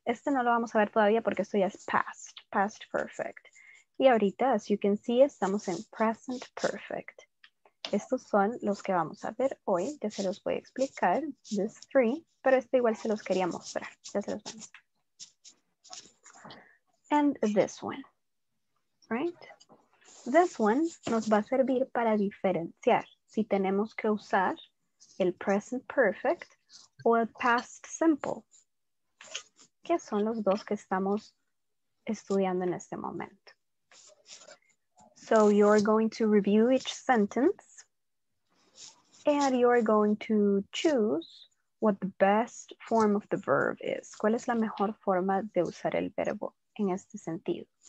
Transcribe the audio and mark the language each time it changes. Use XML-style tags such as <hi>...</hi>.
<es>Este no lo vamos a ver todavía porque esto ya es past perfect. Y ahorita,</es> <en>as you can see,</en> <es>estamos en present perfect. Estos son los que vamos a ver hoy. Ya se los voy a explicar,</es> <en>these three,</en> <es>pero este igual se los quería mostrar. Ya se los voy a mostrar.</es> <en>And this one, right? This one</en> <es>nos va a servir para diferenciar si tenemos que usar el present perfect o el past simple, que son los dos que estamos estudiando en este momento.</es> <en>So you're going to review each sentence and you're going to choose what the best form of the verb is.</en> <es>¿Cuál es la mejor forma de usar el verbo en este sentido?</es>